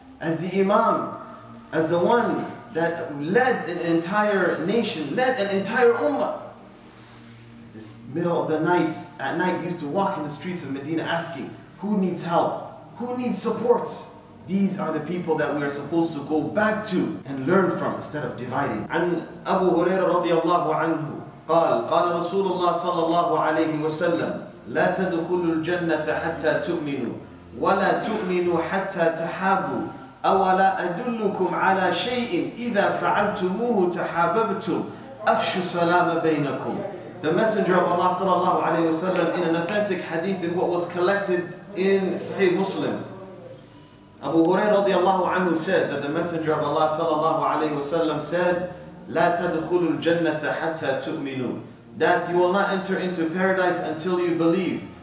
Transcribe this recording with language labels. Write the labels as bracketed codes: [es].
[en] As the Imam, as the one that led an entire nation, led an entire Ummah. This middle of the night, at night, used to walk in the streets of Medina asking, who needs help? Who needs support? These are the people that we are supposed to go back to and learn from instead of dividing. [ar] عن أبو هريرة رضي الله عنه قال قال رسول الله صلى الله عليه وسلم لا تدخلوا الجنة حتى تؤمنوا ولا تؤمنوا حتى تحابوا أَوَلَا أَدُلُّكُمْ عَلَى شَيْءٍ إِذَا فَعَلْتُمُوهُ تَحَابَبْتُمْ أَفْشُ سَلَامَ بَيْنَكُمْ. [en] The Messenger of Allah sallallahu alayhi wa sallam, in an authentic hadith in what was collected in Sahih Muslim, Abu Hurairah radiallahu anhu says that the Messenger of Allah sallallahu alayhi wa sallam said, [ar] لَا تَدْخُلُوا الْجَنَّةَ حَتَّى تُؤْمِنُوا, [en] that you will not enter into paradise until you believe.